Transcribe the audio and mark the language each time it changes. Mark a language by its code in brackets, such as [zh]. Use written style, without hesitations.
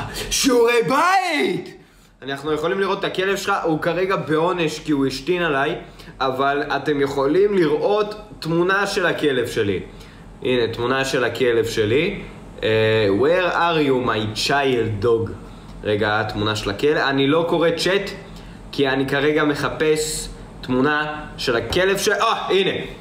[he] שיעורי בית! אנחנו יכולים לראות את הכלב שלך, הוא כרגע בעונש כי הוא השתין עליי, אבל אתם יכולים לראות תמונה של הכלב שלי. הנה, תמונה של הכלב שלי. [en] Where are you, my child dog? [he] רגע, התמונה של הכלב. אני לא קורא צ'אט, כי אני כרגע מחפש תמונה של הכלב שלי. הנה.